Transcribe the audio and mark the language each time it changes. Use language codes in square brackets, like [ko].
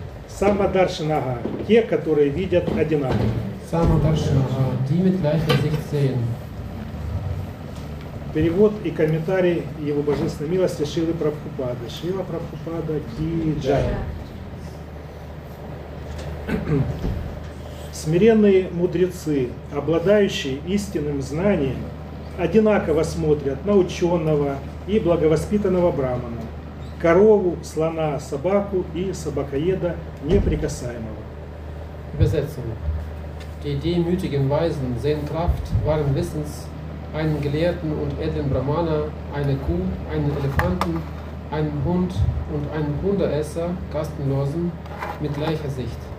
[ru] Самадаршинага, те, которые видят одинаково. [de] Самадаршинага, die mit gleicher Sicht sehen. [ru] Перевод и комментарий Его Божественной Милости Шрилы Прабхупады. Шрила Прабхупада ки джай. Смиренные мудрецы, обладающие истинным знанием, одинаково смотрят на ученого и благовоспитанного брахмана. Корову, слона, собаку и собакоеда неприкасаемого. [de] Übersetzung. Die demütigen Weisen sehen Kraft wahren Wissens, einen gelehrten und edlen Brahmana, eine Kuh, einen Elefanten, einen Hund und einen Hundeesser, Kastenlosen, mit gleicher Sicht.